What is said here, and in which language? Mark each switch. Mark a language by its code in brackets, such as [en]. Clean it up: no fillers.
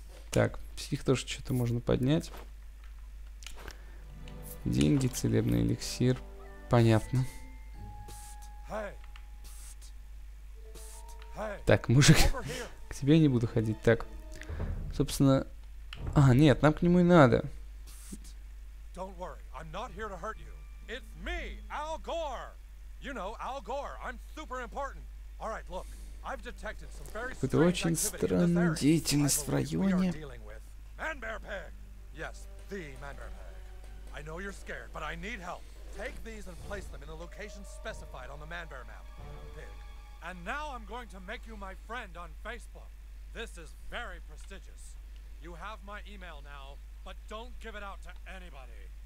[ru] Так, псих тоже что-то можно поднять. Деньги, целебный эликсир. Понятно. Так, мужик, к тебе не буду ходить. Так, собственно... А, нет, нам к нему и надо. [en] Don't worry, I'm not here to hurt you. It's me, Al Gore. You know, Al Gore, I'm super important. All right, look, I've detected some very strange activity in this area. [ru] Какую-то очень странную деятельность в районе. [en] Man-Bear-Pig. Yes, the Man-Bear-Pig. I know you're scared, but I need help. Take these and place them in the location specified on the Man-Bear map, Pig. And now I'm going to make you my friend on Facebook. This is very prestigious. You have my email now. But don't give it out to anybody.